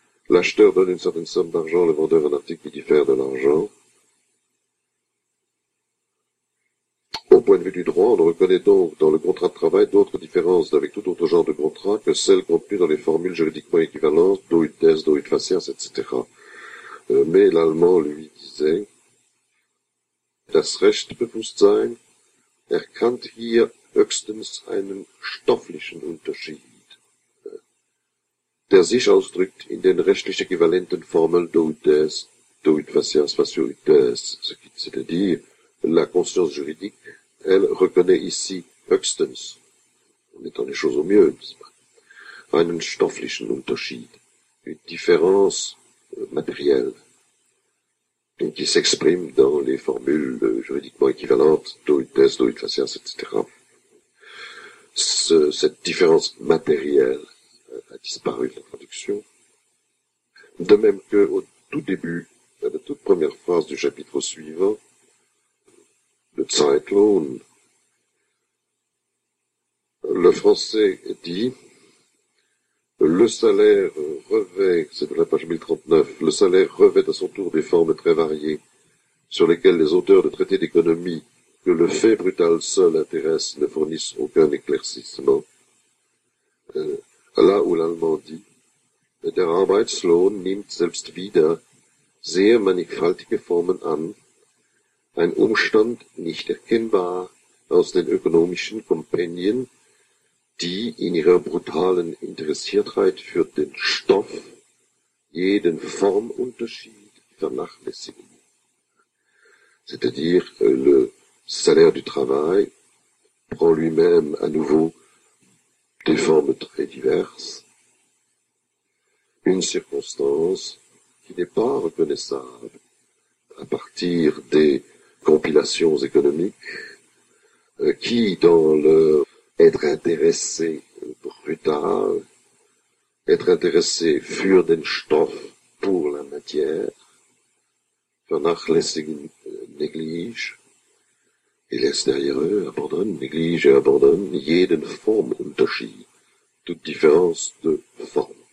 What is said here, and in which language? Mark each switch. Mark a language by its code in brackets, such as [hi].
[fr] L'acheteur donne une certaine somme d'argent, le vendeur un article qui diffère de l'argent. Au point de vue du droit, on ne reconnaît donc dans le contrat de travail d'autres différences avec tout autre genre de contrat que celles contenues dans les formules juridiquement équivalentes, do ut des, do ut facias, etc. Mais l'allemand lui disait, [de] Das Rechtbewusstsein erkannt hier höchstens einen stofflichen Unterschied, der sich ausdrückt in den rechtlich äquivalenten Formeln do ut des, do ut facias, facio ut des. [fr] C'est-à-dire, la conscience juridique, elle reconnaît ici [de] höchstens, [fr] en mettant les choses au mieux, n'est-ce pas, [de] einen stofflichen Unterschied, [fr] une différence matérielle. Donc, qui s'exprime dans les formules juridiquement équivalentes, do ut des, do ut facias, etc. Cette différence matérielle a disparu de la traduction. De même que, au tout début, à la toute première phrase du chapitre suivant, le Zeitlohn, le français dit, le salaire revêt, c'est de la page 1039, le salaire revêt à son tour des formes très variées sur lesquelles les auteurs de traités d'économie que le fait brutal seul intéresse ne fournissent aucun éclaircissement. Là où l'allemand dit, [de] der Arbeitslohn nimmt selbst wieder sehr mannigfaltige Formen an, ein Umstand nicht erkennbar aus den ökonomischen Kompendien, die in ihrer brutalen Interessiertheit für den Stoff jeden Formunterschied vernachlässigen. [fr] C'est-à-dire, le salaire du travail prend lui-même à nouveau des formes très diverses, une circonstance qui n'est pas reconnaissable à partir des compilations économiques qui, dans leur être intéressé brutal, être intéressé [de] für den Stoff, [fr] pour la matière, [de] vernachlässigen, [fr] néglige, et laisse derrière eux, abandonne, néglige et abandonne, [de] jeden Formunterschied, [fr] toute différence de forme.